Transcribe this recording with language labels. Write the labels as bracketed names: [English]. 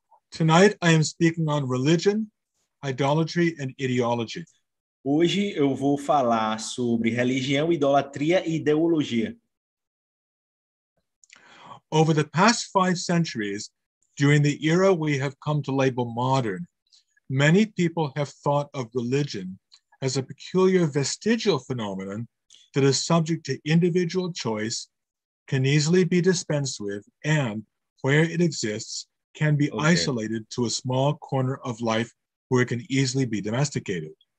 [English] Tonight I am speaking on religion, idolatry, and ideology. [Portuguese] Hoje eu vou falar sobre religião, idolatria e ideologia. [English] Over the past 5 centuries, during the era we have come to label modern, many people have thought of religion as a peculiar vestigial phenomenon that is subject to individual choice, can easily be dispensed with, and where it exists, can be isolated to a small corner of life where it can easily be domesticated.